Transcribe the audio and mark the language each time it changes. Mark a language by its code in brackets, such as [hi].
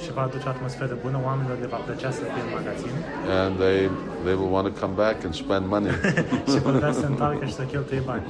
[ro] Și va aduce atmosferă bună, oamenilor le va plăcea să fie în magazin. [en] And they will want to come back and spend money. [ro] Și vor vrea să întoarcă și să cheltuie bani.